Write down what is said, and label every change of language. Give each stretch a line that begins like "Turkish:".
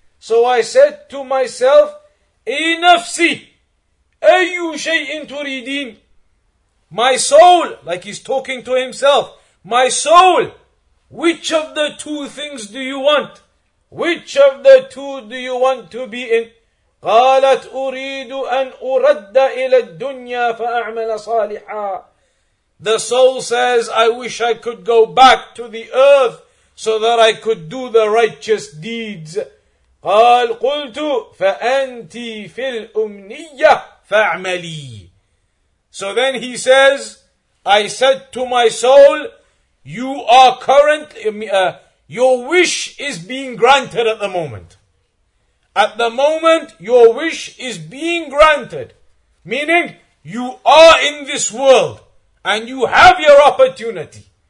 English: So I said to myself,
Arabic: "إِنَفْسِي أَيُّ شَيْءٍ تُرِيدِينَ."
English: My soul, like he's talking to himself, My soul, which of the two things do you want? Which of the two do you want to be in?
Arabic: قالت أريد أن أرد إلى الدنيا فأعمل صالحا.
English: The soul says, I wish I could go back to the earth so that I could do the righteous deeds.
Arabic: قال قلت فأنت في الأمنية فأعملي.
English: So then he says, I said to my soul, your wish is being granted at the moment. At the moment, your wish is being granted. Meaning, you are in this world and you have your opportunity.